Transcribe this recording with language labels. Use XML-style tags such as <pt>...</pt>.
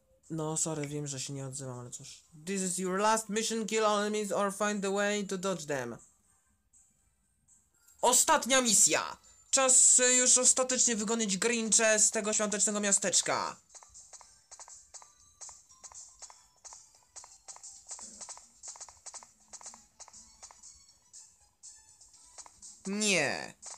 <pl>No, sorry, wiem, że się nie odzywam, ale cóż.</pl> <en>This is your last mission, kill all enemies or find the way to dodge them.</en> <pl>Ostatnia misja! Czas już ostatecznie wygonić Grinche z tego świątecznego miasteczka. Nie.</pl>